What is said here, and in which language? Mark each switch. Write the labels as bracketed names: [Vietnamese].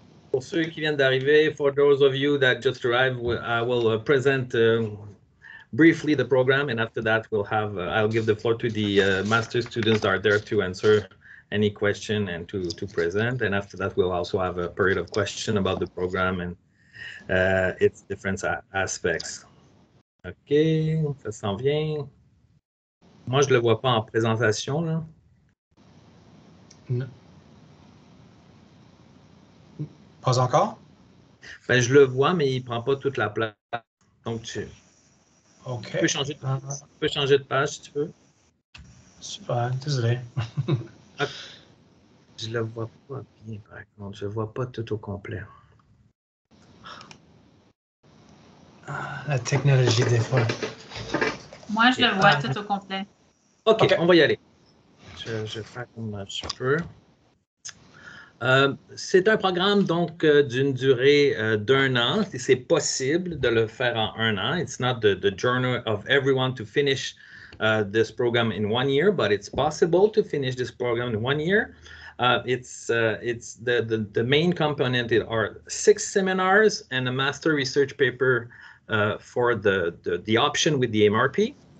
[French] Pour ceux qui viennent d'arriver, [English] for those of you that just arrived, I will present briefly the program, and after that, I'll give the floor to the master students that are there to answer any question and to present. And after that, we'll also have a period of question about the program and its different aspects. [French] OK, ça s'en vient. Moi, je le vois pas en présentation, là. Non. Pas encore? Ben, je le vois, mais il prend pas toute la place. Donc, tu... OK. Tu peux changer de page, si tu veux. Super, désolé. Je le vois pas bien, par contre. Je vois pas tout au complet. La technologie, des fois. Moi, je le vois tout au complet. Okay, OK, on va y aller. Je fais comme je peux. C'est un programme, donc, d'une durée d'un an. C'est possible de le faire en un an. [English] It's not the journey of everyone to finish this program in 1 year, but it's possible to finish this program in 1 year. It's the main component are 6 seminars and a master research paper for the option with the MRP.